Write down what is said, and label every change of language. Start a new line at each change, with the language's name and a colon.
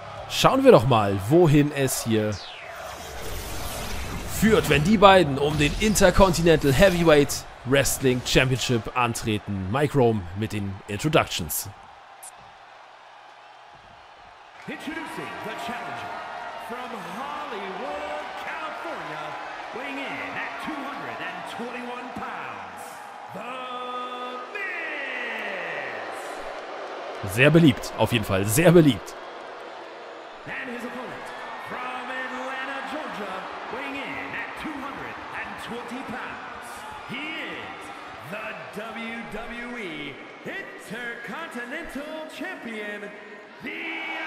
German: Schauen wir doch mal, wohin es hier führt, wenn die beiden um den Intercontinental Heavyweight Wrestling Championship antreten. Mike Rome mit den Introductions.
English: Introducing the challenger from Hollywood, California, weighing in at 221 pounds, The Miz!
German: Sehr beliebt, auf jeden Fall, sehr beliebt.
English: And his opponent from Atlanta, Georgia, weighing in at 220 pounds, he is the WWE Intercontinental Champion, The